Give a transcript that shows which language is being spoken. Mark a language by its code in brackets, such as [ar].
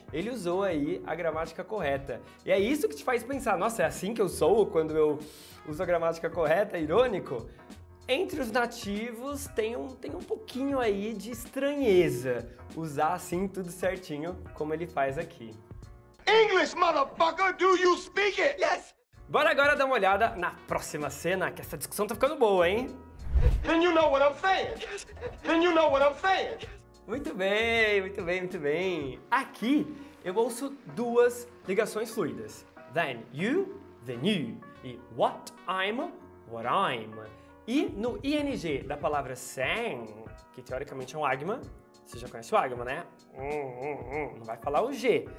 [pt] Ele usou aí a gramática correta. E é isso que te faz pensar, nossa, é assim que eu sou quando eu uso a gramática correta? É irônico? Entre os nativos tem um pouquinho aí de estranheza usar assim tudo certinho como ele faz aqui. [en] English, motherfucker, do you speak it? Yes! [pt] Bora agora dar uma olhada na próxima cena, que essa discussão tá ficando boa, hein? [en] Then you know what I'm saying! Then you know what I'm saying! [pt] Muito bem, muito bem, muito bem. Aqui eu ouço duas ligações fluidas. [en] Then you, then you. E what I'm, what I'm. [pt] E no ing da palavra sang, que teoricamente é um agma, você já conhece o agma, né? Não vai falar o g.